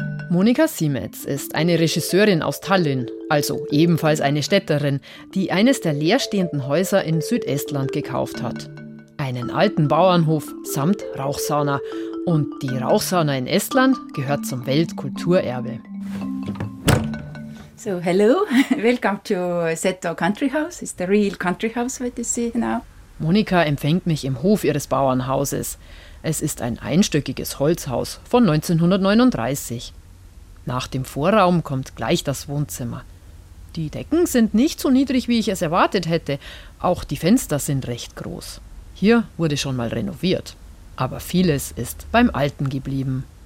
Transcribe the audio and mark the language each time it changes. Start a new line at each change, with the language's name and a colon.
German: Monika Siemetz ist eine Regisseurin aus Tallinn, also ebenfalls eine Städterin, die eines der leerstehenden Häuser in Südestland gekauft hat. Einen alten Bauernhof samt Rauchsauna. Und die Rauchsauna in Estland gehört zum Weltkulturerbe.
English: So, hello, welcome to Seto Country House. It's the real country house, what you see now.
German: Monika empfängt mich im Hof ihres Bauernhauses. Es ist ein einstöckiges Holzhaus von 1939. Nach dem Vorraum kommt gleich das Wohnzimmer. Die Decken sind nicht so niedrig, wie ich es erwartet hätte. Auch die Fenster sind recht groß. Hier wurde schon mal renoviert. Aber vieles ist beim Alten geblieben.